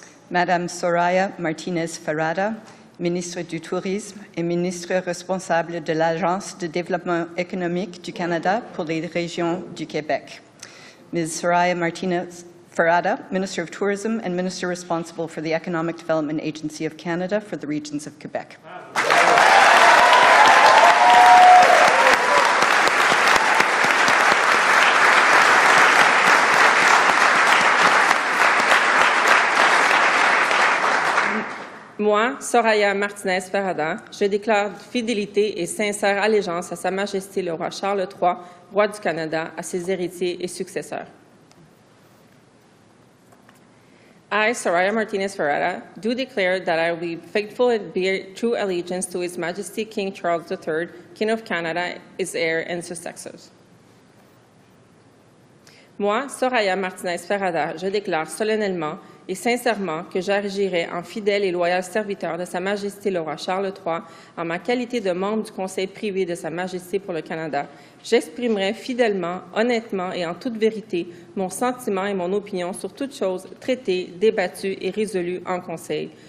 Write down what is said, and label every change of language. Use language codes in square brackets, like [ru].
[fr] Madame Soraya Martinez Ferrada, ministre du Tourisme et ministre responsable de l'Agence de développement économique du Canada pour les régions du Québec. [en] Ms. Soraya Martinez Ferrada, Minister of Tourism and Minister responsible for the Economic Development Agency of Canada for the Regions of Quebec. [fr] Moi, Soraya Martinez Ferrada, je déclare fidélité et sincère allégeance à Sa Majesté le roi Charles III, roi du Canada, à ses héritiers et successeurs. [en] I, Soraya Martinez Ferrada, do declare that I will be faithful and bear true allegiance to His Majesty King Charles III, King of Canada, his heir and successors. [fr] Moi, Soraya Martinez Ferrada, je déclare solennellement et sincèrement que j'agirai en fidèle et loyal serviteur de Sa Majesté le roi Charles III en ma qualité de membre du Conseil privé de Sa Majesté pour le Canada. J'exprimerai fidèlement, honnêtement et en toute vérité mon sentiment et mon opinion sur toutes choses traitées, débattues et résolues en Conseil.